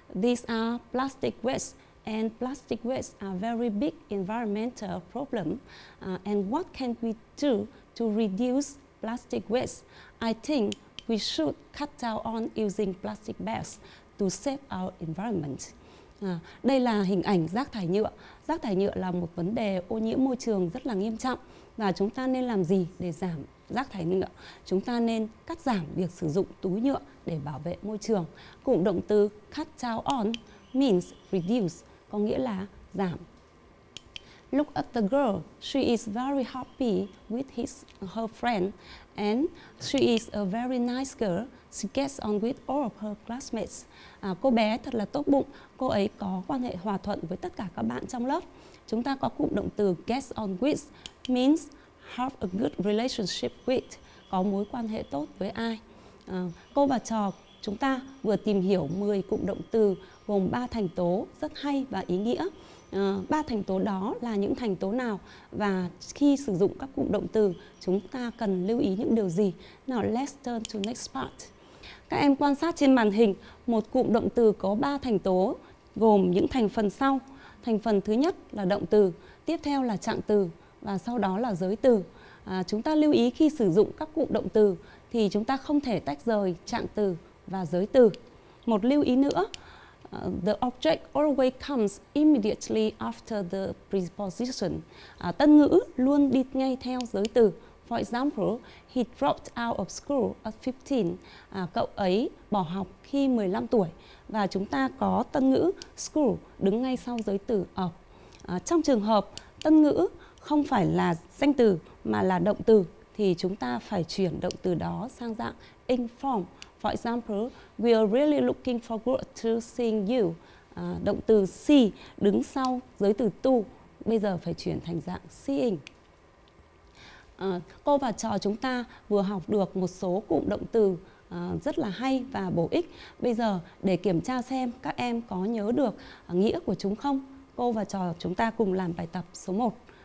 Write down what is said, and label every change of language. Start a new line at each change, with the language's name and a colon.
English: These are plastic waste, and plastic waste are very big environmental problem. And what can we do to reduce plastic waste? I think we should cut down on using plastic bags to save our environment.
Vietnamese: Đây là hình ảnh rác thải nhựa. Rác thải nhựa là một vấn đề ô nhiễm môi trường rất là nghiêm trọng. Và chúng ta nên làm gì để giảm rác thải nhựa? Chúng ta nên cắt giảm việc sử dụng túi nhựa để bảo vệ môi trường. Cụm động từ
English: cut down on means reduce,
Vietnamese: có nghĩa là giảm.
English: Look at the girl. She is very happy with her friend, and she is a very nice girl. She gets on with all of her classmates.
Vietnamese: Cô bé thật là tốt bụng. Cô ấy có quan hệ hòa thuận với tất cả các bạn trong lớp. Chúng ta có cụm động từ
English: gets on with, means have a good relationship with,
Vietnamese: có mối quan hệ tốt với ai. Cô và trò chúng ta vừa tìm hiểu 10 cụm động từ gồm 3 thành tố rất hay và ý nghĩa. Ba thành tố đó là những thành tố nào và khi sử dụng các cụm động từ chúng ta cần lưu ý những điều gì?
English: Now let's turn to next part.
Vietnamese: Các em quan sát trên màn hình, một cụm động từ có 3 thành tố gồm những thành phần sau. Thành phần thứ nhất là động từ, tiếp theo là trạng từ và sau đó là giới từ. Chúng ta lưu ý khi sử dụng các cụm động từ thì chúng ta không thể tách rời trạng từ và giới từ. Một lưu ý nữa,
English: the object always comes immediately after the preposition.
Vietnamese: Tân ngữ luôn đi ngay theo giới từ.
English: For example, he dropped out of school at 15.
Vietnamese: Cậu ấy bỏ học khi 15 tuổi. Và chúng ta có tân ngữ school đứng ngay sau giới từ of. Trong trường hợp tân ngữ không phải là danh từ mà là động từ thì chúng ta phải chuyển động từ đó sang dạng in form.
English: For example, we are really looking forward to seeing you.
Vietnamese: Động từ see đứng sau giới từ to bây giờ phải chuyển thành dạng seeing. Cô và trò chúng ta vừa học được một số cụm động từ rất là hay và bổ ích. Bây giờ để kiểm tra xem các em có nhớ được nghĩa của chúng không, cô và trò chúng ta cùng làm bài tập số 1.